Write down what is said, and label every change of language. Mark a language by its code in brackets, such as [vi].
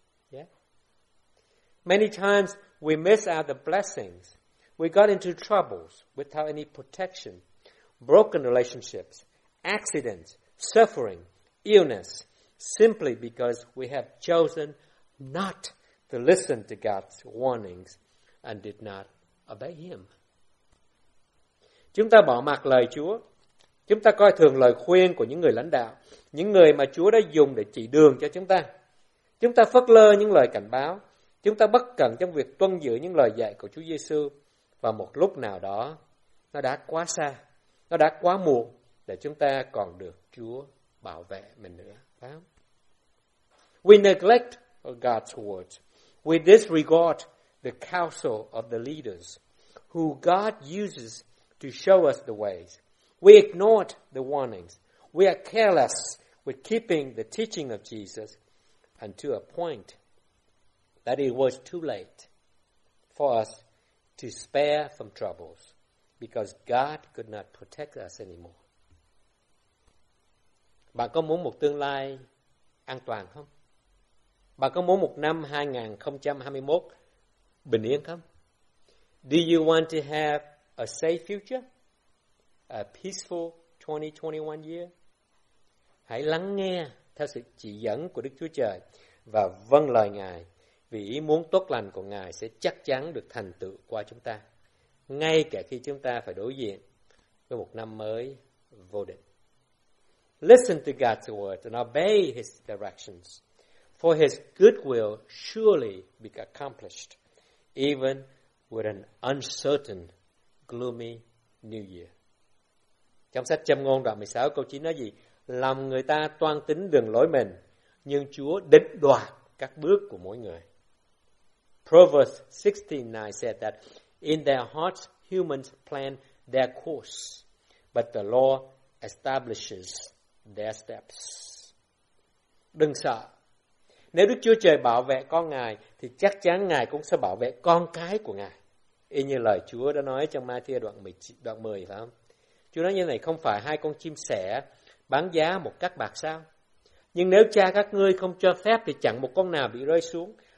[en] Yeah. Many times we miss out the blessings. We got into troubles without any protection, broken relationships, accidents, suffering, illness, simply because we have chosen not to listen to God's warnings and did not obey Him. [vi] Chúng ta bỏ mặc lời Chúa. Chúng ta coi thường lời khuyên của những người lãnh đạo, những người mà Chúa đã dùng để chỉ đường cho chúng ta. Chúng ta phớt lờ những lời cảnh báo. Chúng ta bất cẩn trong việc tuân giữ những lời dạy của Chúa Giê-xu. Và một lúc nào đó, nó đã quá xa, nó đã quá muộn để chúng ta còn được Chúa bảo vệ mình nữa. Phải không? [en] We neglect God's word. We disregard the counsel of the leaders who God uses to show us the ways. We ignored the warnings. We are careless with keeping the teaching of Jesus, and to a point that it was too late for us to spare from troubles because God could not protect us anymore. [vi] Bạn có muốn một tương lai an toàn không? Bạn có muốn một năm 2021 bình yên không? [en] Do you want to have a safe future, a peaceful 2021 year? [vi] Hãy lắng nghe theo sự chỉ dẫn của Đức Chúa Trời và vâng lời Ngài, vì ý muốn tốt lành của Ngài sẽ chắc chắn được thành tựu qua chúng ta, ngay cả khi chúng ta phải đối diện với một năm mới vô định. [en] Listen to God's word and obey His directions, for His good will surely be accomplished, even with an uncertain gloomy new year. [vi] Trong sách Châm Ngôn đoạn 16 câu 9 nói gì? Làm người ta toan tính đường lối mình, nhưng Chúa định đoạt các bước của mỗi người. [en] Proverbs 16:9 said that in their hearts humans plan their course, but the Lord establishes their steps. [vi] Đừng sợ. Nếu Đức Chúa Trời bảo vệ con Ngài thì chắc chắn Ngài cũng sẽ bảo vệ con cái của Ngài. Y như lời Chúa đã nói trong Ma-thi-ơ đoạn 10, phải không? Chúa nói như này, không phải hai con chim sẻ bán giá một cắc bạc sao? Nhưng nếu Cha các ngươi không cho phép thì chẳng một con nào bị rơi xuống.